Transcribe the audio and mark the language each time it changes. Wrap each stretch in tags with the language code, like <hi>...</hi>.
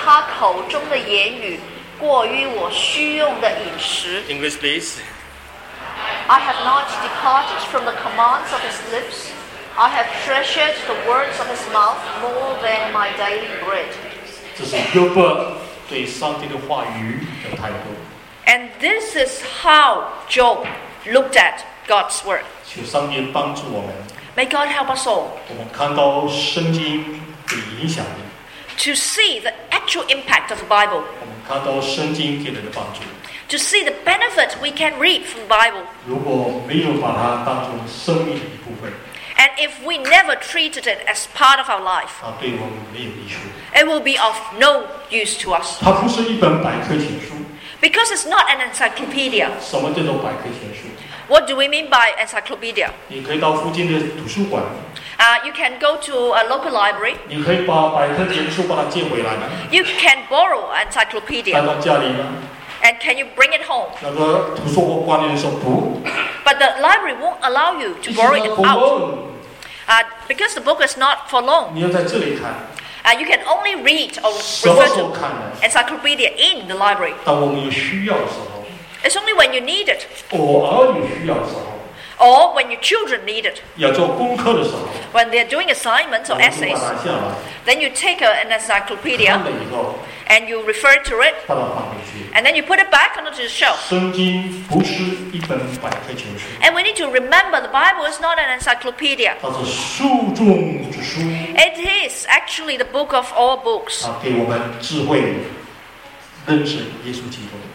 <zh>我看重他口中的言语, 过于我虚用的饮食。</zh> <en>English, please. I have not departed from the commands of his lips. I have treasured the words of his mouth more than my daily bread.</en> <zh>这是约伯对上帝的话语的态度。</zh> <en>And this is how Job looked at God's word.</en> <zh>求上帝帮助我们。</zh> <en>May God help us all.</en> <zh>我们看到圣经的影响力。</zh> <en>To see the actual impact of the Bible.</en> <zh>我们看到圣经给人的帮助。</zh> <en>To see the benefit we can reap from the Bible.</en> <zh>如果没有把它当作生命的一部分。</zh> <en>And if we never treated it as part of our life, it will be of no use to us.</en> <zh>它不是一本百科全书。</zh> <en>Because it's not an encyclopedia.</en> <zh>什么叫做百科全书？</zh> <en>What do we mean by encyclopedia?</en> <zh>你可以到附近的图书馆。</zh> <en>You can go to a local library.</en> <zh>你可以把百科全书把它借回来吗？</zh> <en>You can borrow encyclopedia.</en> <zh>带到家里吗？</zh> <en>And can you bring it home?</en> <zh>那个图书馆的人说不。</zh> <en>But the library won't allow you to borrow it out. Because the book is not for loan.</en> <zh>你要在这里看。</zh> <en>You can only read or refer to encyclopedia in the library.</en> <zh>当我们有需要的时候。</zh> <en>It's only when you need it.</en> <zh>偶尔有需要的时候。</zh> <en>Or when your children need it.</en> <zh>要做功课的时候。</zh> <en>When they're doing assignments or essays. Then you take an encyclopedia.</en> <zh>看了以后。</zh> <en>And you refer to it.</en> <zh>把它放回去。</zh> <en>And then you put it back onto the shelf.</en> <zh>圣经不是一本百科全书。</zh> <en>And we need to remember the Bible is not an encyclopedia.</en> <zh>它是书中之书。</zh> <en>It is actually the book of all books.</en> <zh>它给我们智慧，认识耶稣基督。</zh>